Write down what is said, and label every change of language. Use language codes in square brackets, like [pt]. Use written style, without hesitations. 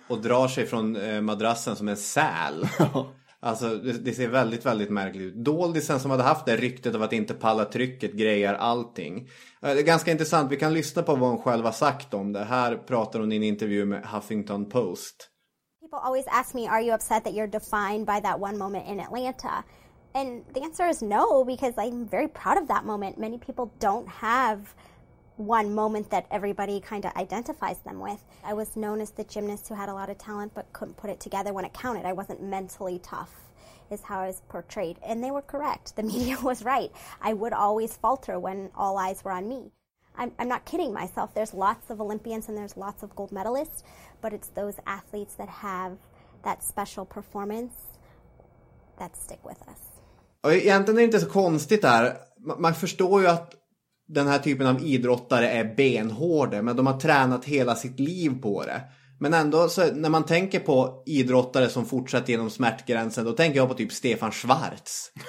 [sv] Och drar sig från madrassen som en säl. Alltså det ser väldigt, väldigt märkligt ut. Doldisen som hade haft det ryktet av att inte palla trycket, grejar allting. Det är ganska intressant. Vi kan lyssna på vad hon själv har sagt om det. Här pratar hon i en intervju med Huffington Post. [en] People always ask me, are you upset that you're defined by that one moment in Atlanta? And the answer is no, because I'm very proud of that moment. Many people don't have... one moment that everybody kind of identifies them with. I was known as the gymnast who had a lot of talent but couldn't put it together when it counted. I wasn't mentally tough is how I was portrayed. And they were correct. The media was right. I would always falter when all eyes were on me. I'm not kidding myself. There's lots of Olympians and there's lots of gold medalists, but it's those athletes that have that special performance that stick with us. [sv] Och egentligen är det inte så konstigt här. Man förstår ju att den här typen av idrottare är benhårda, men de har tränat hela sitt liv på det. Men ändå, så när man tänker på idrottare som fortsätter genom smärtgränsen, då tänker jag på typ Stefan Schwarz.